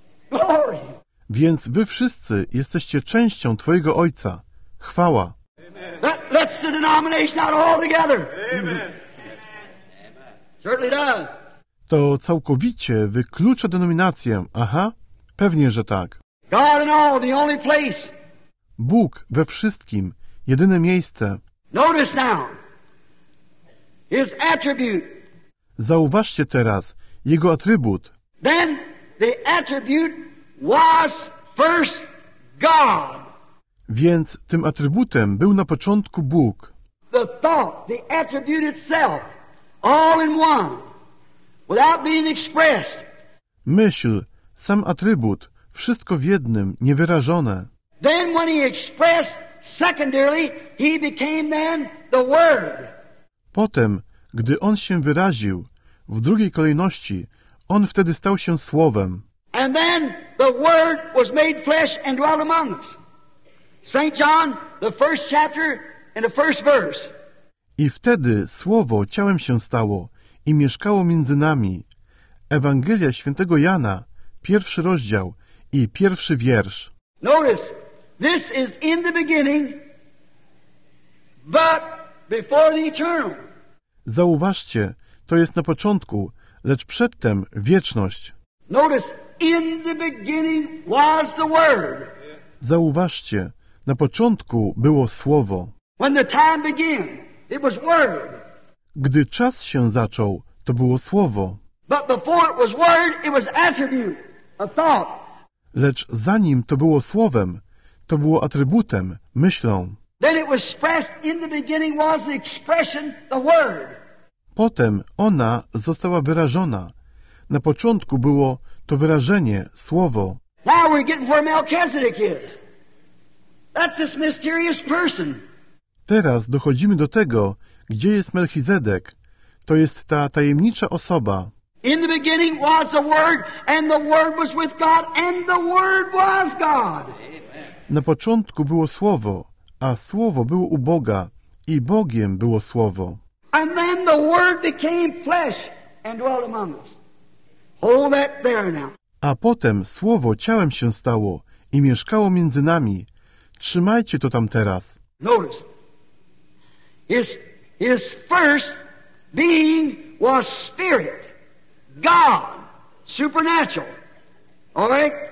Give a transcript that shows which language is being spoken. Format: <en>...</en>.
<en>Glory.</en> <pl>Więc wy wszyscy jesteście częścią twojego ojca. Chwała. Amen.</pl> <en>That's the denomination out all together. Amen. Certainly does.</en> <pl>To całkowicie wyklucza denominację. Aha, pewnie, że tak.</pl> <en>God in all, the only place.</en> <pl>Bóg we wszystkim, jedyne miejsce.</pl> <en>Notice now his attribute.</en> <pl>Zauważcie teraz jego atrybut.</pl> <en>Then the attribute was first God.</en> <pl>Więc tym atrybutem był na początku Bóg.</pl> <en>The thought, the attribute itself, all in one. without being expressed.</en> <pl>Myśl, sam atrybut, wszystko w jednym, niewyrażone.</pl> <en>Then when he expressed secondarily, he became then the Word.</en> <pl>Potem, gdy on się wyraził, w drugiej kolejności, on wtedy stał się Słowem.</pl> <en>And then the Word was made flesh and dwelt among us. St. John, the first chapter and the first verse.</en> <pl>I wtedy Słowo ciałem się stało i mieszkało między nami. Ewangelia Świętego Jana, pierwszy rozdział i pierwszy wiersz.</pl> <en>Notice, this is in the beginning, but before the eternal.</en> <pl>Zauważcie, to jest na początku, lecz przedtem wieczność.</pl> <en>Notice, in the beginning was the Word.</en> <pl>Zauważcie, na początku było Słowo.</pl> <en>When the time began, it was Word.</en> <pl>Gdy czas się zaczął, to było Słowo.</pl> <en>But before it was Word, it was attribute, a thought.</en> <pl>Lecz zanim to było Słowem, to było atrybutem, myślą.</pl> <en>Then it was expressed in the beginning was the expression, the Word.</en> <pl>Potem ona została wyrażona. Na początku było to wyrażenie, Słowo.</pl> <en>Now we're getting where Melchizedek is. That's this mysterious person.</en> <pl>Teraz dochodzimy do tego, gdzie jest Melchizedek. To jest ta tajemnicza osoba.</pl> <en>In the beginning was the Word, and the Word was with God, and the Word was God.</en> <pl>Na początku było Słowo, a Słowo było u Boga, i Bogiem było Słowo.</pl> <en>And then the Word became flesh and dwelt among us. Hold that there now.</en> <pl>A potem Słowo ciałem się stało i mieszkało między nami. Trzymajcie to tam teraz.</pl> <en>Notice. His first being was spirit. God, supernatural, all right?</en>